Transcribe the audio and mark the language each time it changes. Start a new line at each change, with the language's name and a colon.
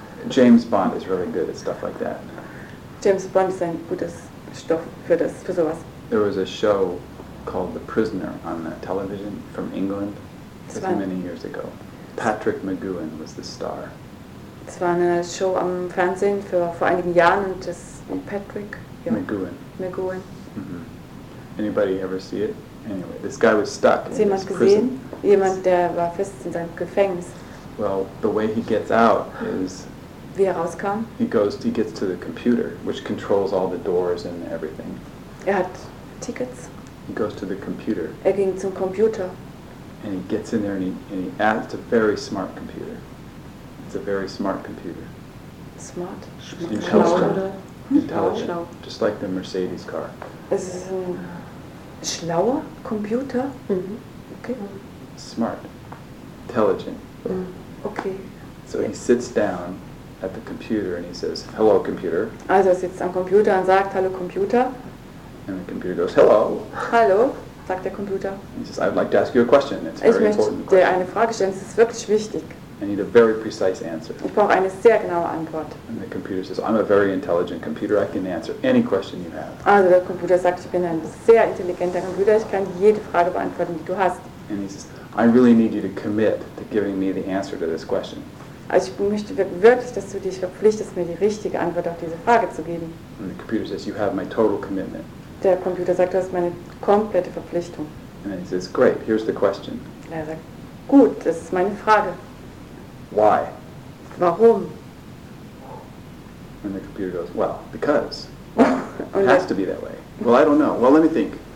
English: James Bond is really good at stuff like that.
German: James Bond ist ein gutes Stoff für das, für sowas.
English: There was a show called The Prisoner on the television from England. It was many years ago. Patrick McGowan was the star.
German: Es war eine Show am Fernsehen vor einigen Jahren und das Patrick McGowan.
English: McGowan. Mm-hmm. Anybody ever see it? Anyway, this guy was stuck.
German: Hat jemand gesehen? Jemand, der war fest in seinem Gefängnis.
English: Well, the way he gets out is.
German: Wie er rauskam?
English: He gets to the computer, which controls all the doors and everything.
German: Er hat Tickets.
English: He goes to the computer.
German: Er ging zum Computer.
English: And he gets in there and he adds a very smart computer. It's a very smart computer. Smart? Intelligent. Just like the Mercedes car.
German: Es ist ein schlauer Computer. Mm-hmm.
English: Okay. Smart. Intelligent. Mm. Okay. So he sits down at the computer and he says, "Hello, computer."
German: Also er sitzt am Computer und sagt, "Hallo, Computer."
English: And the computer goes, "Hello."
German: Hallo, sagt der Computer.
English: He says, "I'd like to ask you a question. It's very important."
German: Ich möchte dir eine Frage stellen. Es ist wirklich wichtig.
English: I need a very precise answer.
German: Ich brauche eine sehr genaue Antwort.
English: And the computer says, "I'm a very intelligent computer. I can answer any question you have."
German: Also der Computer sagt, ich bin ein sehr intelligenter Computer. Ich kann jede Frage beantworten, die du hast.
English: And he says, "I really need you to commit to giving me the answer to this question."
German: Also ich möchte wirklich, dass du dich verpflichtest, mir die richtige Antwort auf diese Frage zu geben.
English: And the computer says, "You have my total commitment."
German: Der Computer sagt, du hast meine komplette Verpflichtung.
English: And he says, "Great, here's the question."
German: Er sagt, gut, das ist meine Frage.
English: Why?
German: Warum?
English: And the computer goes, well, because. It has to be that way. Well, I don't know. Well, let me think.